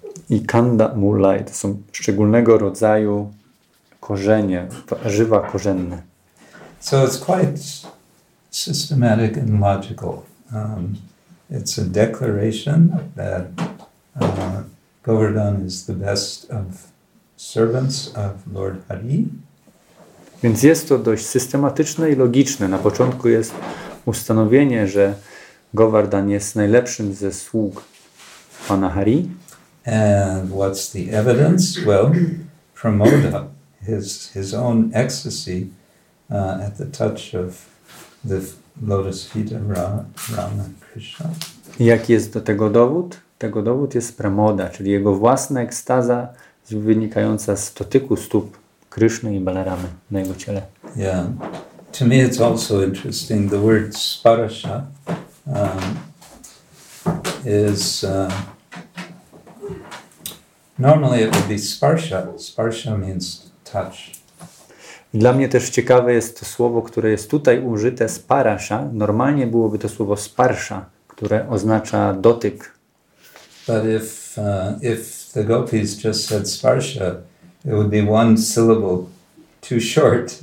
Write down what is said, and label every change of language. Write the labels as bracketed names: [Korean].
[Polish] I Kandamulai to są szczególnego rodzaju korzenie, warzywa korzenne. [English] So it's quite systematic and logical. It's a declaration that Govardhan is the best of servants of Lord Hari. [Polish] Więc jest to dość systematyczne i logiczne. Na początku jest ustanowienie, że Govardhan jest najlepszym ze sług Pana Hari. [English] And what's the evidence? Well, Pramoda, his own ecstasy at the touch of the lotus feet of Rama Krishna. [Polish] Jaki jest do tego dowód? Tego dowód jest Pramoda, czyli jego własna ekstaza wynikająca z dotyku stóp Kryszny i Balaramy na jego ciele. [English] Yeah. To me it's also interesting. The word sparasha is normally it would be sparsha. Sparsha means touch. [Polish] Dla mnie też ciekawe jest to słowo, które jest tutaj użyte, sparasha. Normalnie byłoby to słowo sparsha, które oznacza dotyk. [English] But if the gopis just said sparsha, it would be one syllable too short.